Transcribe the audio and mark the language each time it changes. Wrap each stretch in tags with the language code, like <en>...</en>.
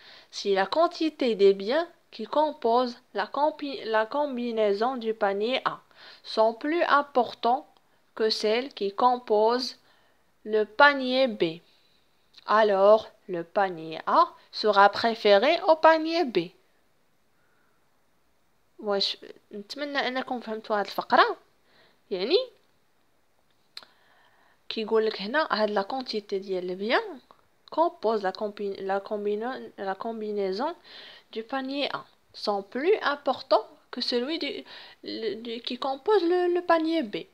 <fr>Si la quantité des biens qui composent la combinaison du panier A sont plus importantes que celles qui composent le panier B, alors le panier A sera préféré au panier B.</fr> <ar>واش نتمنى انكم فهمتوا هذه الفقره. يعني كي يقول لك هنا هاد لا كونتيتي ديال البيان</ar> <fr>compose la combinaison du panier A sont plus importants que celui qui compose le panier B.</fr>